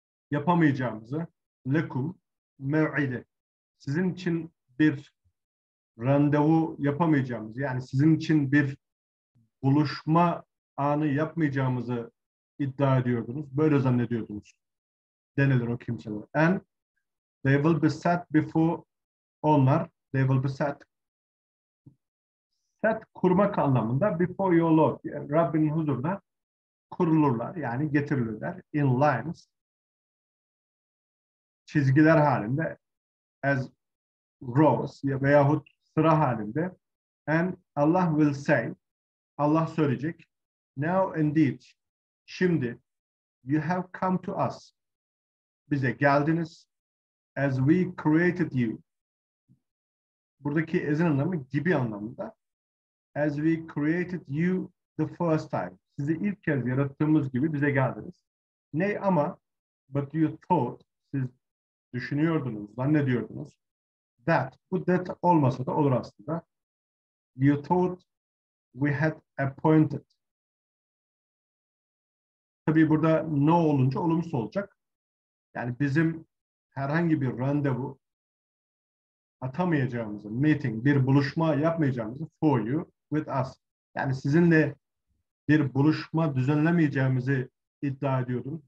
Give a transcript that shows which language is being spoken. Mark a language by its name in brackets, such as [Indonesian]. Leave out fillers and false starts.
[Turkish] Yapamayacağımızı lekum mev'ide. Sizin için bir randevu yapamayacağımızı, yani sizin için bir buluşma anı yapmayacağımızı iddia ediyordunuz. Böyle zannediyordunuz. Denilir o kimseler. [English] En they will be set before, onlar, they will be set. [Turkish] Set kurmak anlamında [English] before your Lord, [Turkish] yani Rabbinin huzuruna kurulurlar, yani getirilirler. [English] In lines, [Turkish] çizgiler halinde, [English] as rows [Turkish] veyahut sıra halinde. [English] And Allah will say, Allah söyleyecek, now indeed, şimdi, you have come to us, [Turkish] bize geldiniz. [English] As we created you. [Turkish] Buradaki as'in anlamı gibi anlamında. [English] As we created you the first time. [Turkish] Sizi ilk kez yarattığımız gibi bize geldiniz. Ne ama? [English] But you thought, [Turkish] siz düşünüyordunuz, zannediyordunuz. That, bu that olmasa da olur aslında. [English] You thought we had appointed. [Turkish] Tabii burada no olunca olumsuz olacak. Yani bizim herhangi bir randevu atamayacağımızı, meeting, bir buluşma yapmayacağımızı, [English] for you, with us. [Turkish] Yani sizinle bir buluşma düzenlemeyeceğimizi iddia ediyordunuz.